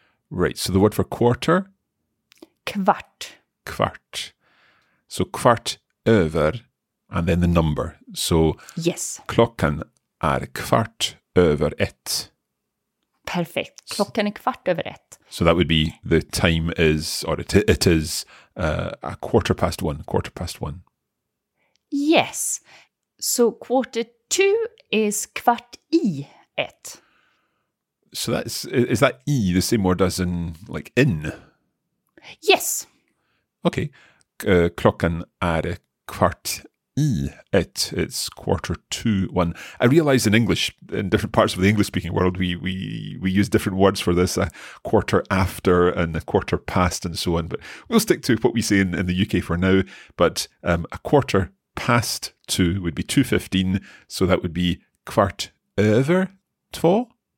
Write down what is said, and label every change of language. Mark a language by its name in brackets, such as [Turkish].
[English] Right, so the word for quarter? [Swedish] Kvart. Kvart. [English] So [Swedish] kvart över [English] and then the number. So yes. [Swedish] Klockan är kvart över ett. Perfekt. Klockan är kvart över ett. [English] So that would be the time is, or it is a quarter past one. Quarter past one. Yes. So quarter two is [Swedish] kvart I ett. [English] So is that I the same word as in like in? Yes. Okay. [Swedish] Klockan är kvart I ett, [English] it's quarter to one. I realize in English, in different parts of the English-speaking world, we use different words for this, a quarter after and a quarter past and so on. But we'll stick to what we say in the UK for now. But a quarter past two would be 2:15. So that would be [Swedish] kvart över två.